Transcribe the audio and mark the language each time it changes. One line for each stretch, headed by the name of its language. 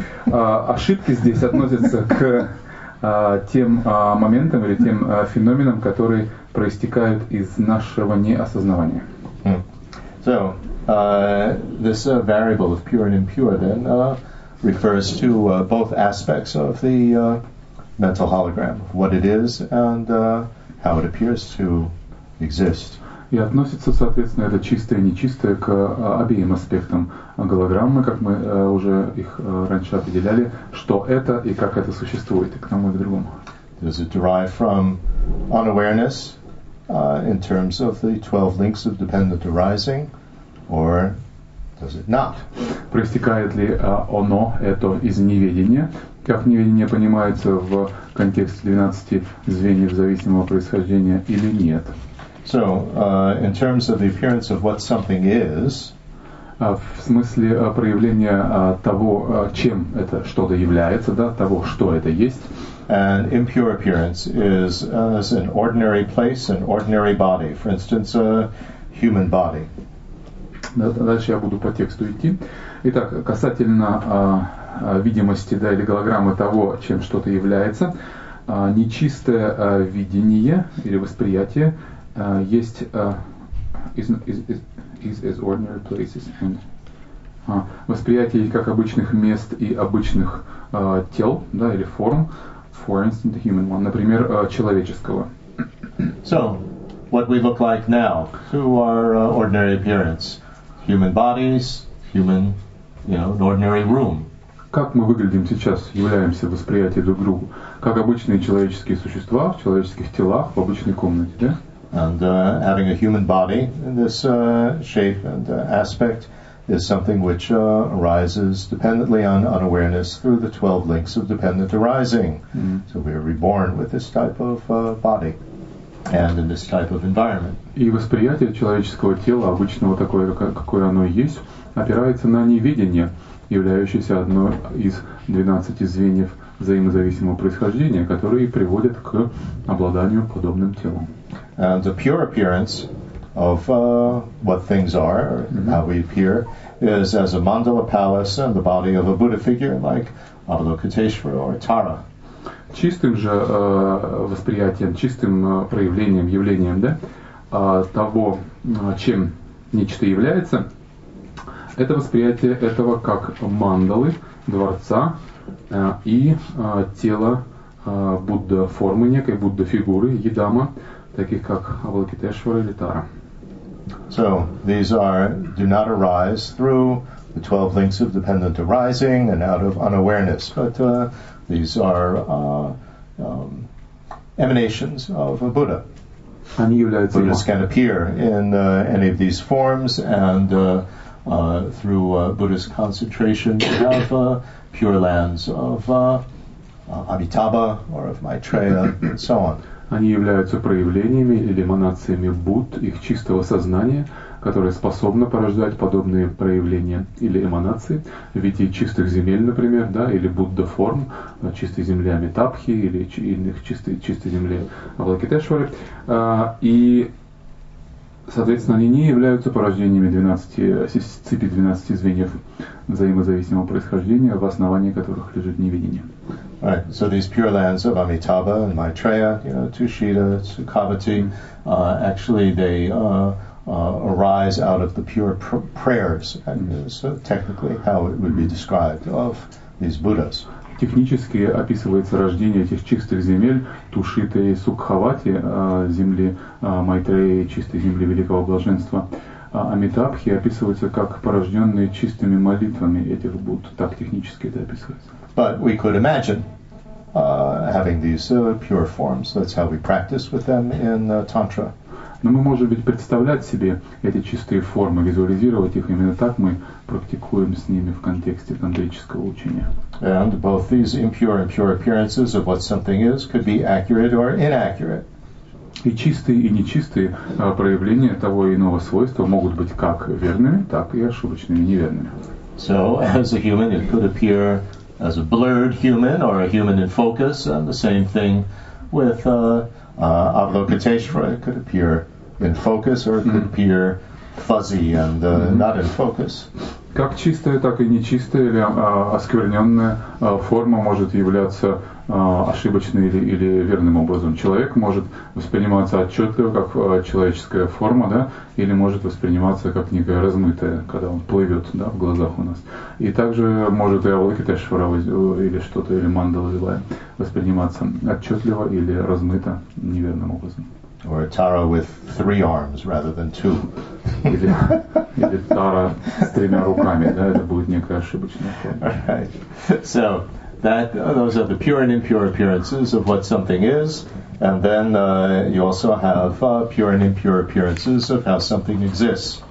Russian: ошибки здесь относятся к тем моментам или тем феноменам, которые проистекают из нашего неосознавания. Mm.
English: So, this variable of pure and impure then refers to both aspects of the mental hologram, what it is and how it appears to exist.
Russian: И относится, соответственно, это чистое и нечистое к обеим аспектам голограммы, как мы уже их раньше определяли, что это и как это существует, и к тому и к другому.
English: Does it derive from unawareness in terms of the 12 links of dependent arising? Or does it not?
Russian: Проистекает ли оно, это из неведения, как неведение понимается в контексте 12 звеньев зависимого происхождения, или нет?
English: So, in terms of the appearance of what something is,
Russian: в смысле проявления того, чем это что-то является, да, того, что это есть,
English: an impure appearance is as an ordinary place, an ordinary body, for instance, a human body.
Russian: Дальше я буду по тексту идти. Итак, касательно видимости, да, или голограммы того, чем что-то является, нечистое видение или восприятие есть
English: is ordinary places and
Russian: восприятие как обычных мест и обычных тел, да, или форм,
English: for instance, the human one,
Russian: например, человеческого.
English: So, what we look like now to our ordinary appearance. Human bodies, human, you know, an ordinary room.
Russian: Как мы выглядим сейчас, являемся восприятием друг друга, как обычные человеческие существа в человеческих телах в обычной комнате, да?
English: And having a human body in this shape and aspect is something which arises dependently on unawareness through the 12 links of dependent arising. Mm-hmm. So we are reborn with this type of body and in this type of environment.
Russian: И восприятие человеческого тела, обычного такое, какое оно есть, опирается на невидение, являющееся одной из 12 звеньев взаимозависимого происхождения, которые приводят к обладанию подобным телом.
English: And the pure appearance of what things are, or how we appear, is as a mandala palace and the body of a Buddha figure like Avalokiteshvara or Tara.
Russian: Чистым же восприятием, чистым проявлением, явлением, да, того, чем нечто является, это восприятие этого как мандалы, дворца и тела Будда формы, некой Будда фигуры, едама, таких как Авалокитешвара или Тара.
English: So these are do not arise through the 12 links of dependent arising and out of unawareness, but these are emanations of a Buddha.
Russian: Они являются.
English: Buddhas can appear in any of these forms, and through Buddhist concentration, we have pure lands of Amitabha or of Maitreya, and so on.
Russian: Они являются проявлениями или эманациями Будд, их чистого сознания, которое способно порождать подобные проявления или эманации в виде чистых земель, например, да, или Будда форм, чистой земли Амитабхи или иных чистой земли Авалокитешвары. И, соответственно, они не являются порождениями 12, цепи 12 звеньев взаимозависимого происхождения, в основании которых лежит невидение.
English: Right, so these pure lands of Amitabha and Maitreya, you know, Tushita, Sukhavati, actually they arise out of the pure prayers, so technically how it would be described, of these Buddhas.
Russian: Технически описывается рождение этих чистых земель, Тушита и Сукхавати, земли Майтреи, чистой земли Великого Блаженства. Амитабхи описывается как порожденные чистыми молитвами этих Будд. Так технически это описывается.
English: But we could imagine having these pure forms. That's how we practice with them in Tantra.
Russian: Но мы можем ведь представлять себе эти чистые формы, визуализировать их. Именно так мы практикуем с ними в контексте тантрического учения.
English: And both these impure and pure appearances of what something is could be accurate or inaccurate.
Russian: И чистые и нечистые проявления того и иного свойства могут быть как верными, так и ошибочными, неверными.
English: So, as a human, it could appear as a blurred human or a human in focus, and the same thing with Avalokiteshvara. It could appear in focus or it could appear fuzzy and not in focus.
Russian: Как чистая, так и нечистая или оскверненная форма может являться ошибочной или верным образом. Человек может восприниматься отчетливо как человеческая форма, да, или может восприниматься как некая размытая, когда он плывет, да, в глазах у нас. И также может и Авалокитешвара или что-то, или мандала злая, восприниматься отчетливо или размыто неверным образом.
English: Or a Tara with three arms rather than two.
Russian: Или Тара с тремя руками, да, это будет некая ошибочная форма.
English: Right. So, that, those are the pure and impure appearances of what something is, and then you also have pure and impure appearances of how something exists.